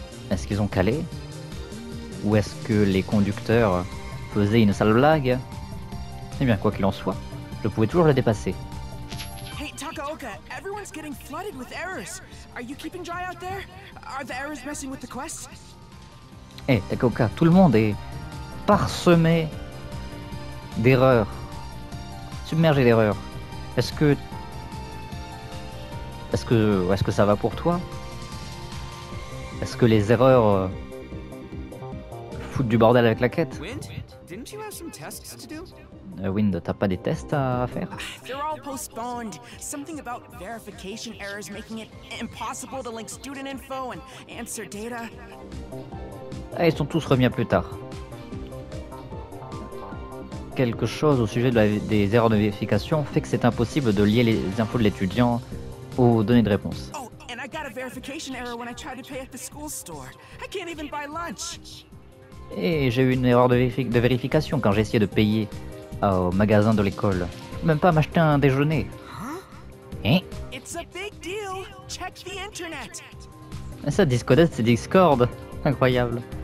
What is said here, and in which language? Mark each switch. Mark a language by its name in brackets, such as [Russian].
[French] Est-ce qu'ils ont calé? Ou est-ce que les conducteurs faisaient une sale blague? Eh bien, quoi qu'il en soit, je pouvais toujours le dépasser. [English] Hey Takaoka, everyone's getting flooded with errors. Are you keeping dry out there? Are the errors messing with the quest? [French] Hey Takaoka, tout le monde est parsemé d'erreurs. Submergé d'erreurs. Est-ce que ça va pour toi? Est-ce que les erreurs foutent du bordel avec la quête? [English] Wind, didn't you have some tests to do? [French] Wind, t'as pas des tests à faire? [English] They're all postponed. Something about verification errors making it impossible to link student info and answer data. [French] Ah, ils sont tous remis à plus tard. Quelque chose au sujet des erreurs de vérification fait que c'est impossible de lier les infos de l'étudiant aux données de réponse. [English] Oh, and I got a verification error when I tried to pay at the school store. I can't even buy lunch. [French] Et j'ai eu une erreur de vérification quand j'ai essayé de payer au magasin de l'école. Je peux même pas m'acheter un déjeuner. [English] It's a big deal. check the internet. [French] Ça, Discodette, c'est Discord. Incroyable.